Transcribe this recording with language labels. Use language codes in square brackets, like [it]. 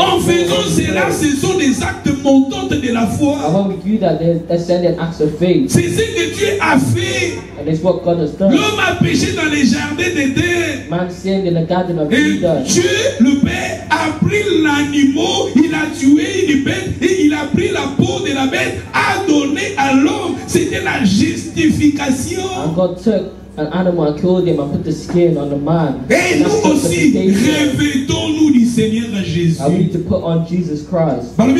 [fr] En faisant cela, ce sont des actes montants de la foi. [en] And when we do that, they ascend in acts of faith. [fr] C'est ce que Dieu a fait. [en] And it's what God has done. [fr] L'homme a péché dans les jardins d'Éden. [en] Man sinned in the garden of Eden. [fr] Et Dieu, le Père, a pris l'animal, il a tué une bête et il a pris la peau de la bête, a donné à l'homme. C'était la justification. [en] And God took an animal, killed him, and put the skin on the man. [fr] Et nous aussi, revêtons-nous du Seigneur Jésus. [en] And we need to put on Jesus Christ.